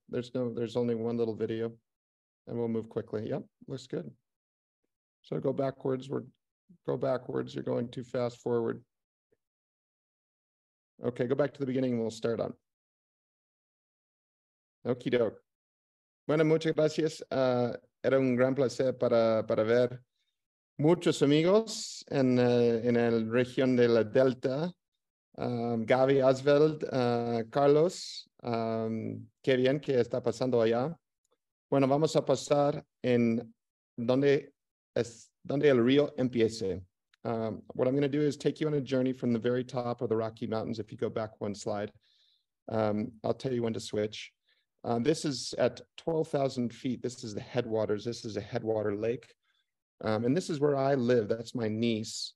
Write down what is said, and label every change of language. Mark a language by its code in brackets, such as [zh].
[en] There's only one little video and we'll move quickly. Yep, looks good. So go backwards. We're Go backwards. You're going too fast forward. Okay, go back to the beginning and we'll start on. Okie doke. [es] Bueno, muchas gracias. Era un gran placer para ver muchos amigos en el región de la Delta. Gaby Asveld, Carlos, qué bien que está pasando allá. Bueno, vamos a pasar en donde el río empiece. [en] What I'm going to do is take you on a journey from the very top of the Rocky Mountains. If you go back one slide, I'll tell you when to switch. This is at 12,000 feet. This is the headwaters. This is a headwater lake. And this is where I live. That's my niece.